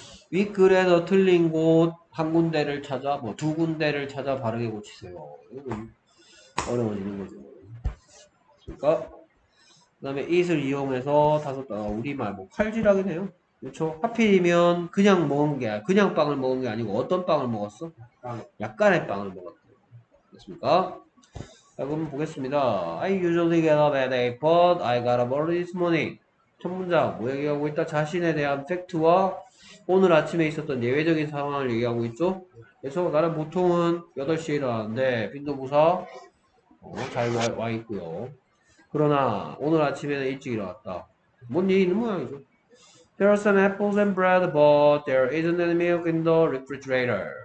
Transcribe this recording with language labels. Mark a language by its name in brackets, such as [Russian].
[Korean] 윗글에서 틀린 곳한 군데를 찾아, 뭐, 두 군데를 찾아 바르게 고치세요. 어려워지는 거죠. 그러니까 그 다음에 it을 이용해서 다섯, 아, 우리말, 뭐, 칼질하긴 해요. 그렇죠? 하필이면 그냥 먹은 게, 그냥 빵을 먹은 게 아니고 어떤 빵을 먹었어? 약간의 빵을 먹었어. 됐습니까? 자, 그럼 보겠습니다. [English] I usually get up at 8, but I got up early this morning. [Korean] 첫 문장, 뭐 얘기하고 있다? 자신에 대한 팩트와 오늘 아침에 있었던 예외적인 상황을 얘기하고 있죠? 그래서 나는 보통은 8시에 일어나는데, 빈도부사 잘 와 있고요. 그러나 오늘 아침에는 일찍 일어났다. 뭔 얘기 있는 모양이죠? [English] There are some apples and bread, but there isn't any milk in the refrigerator.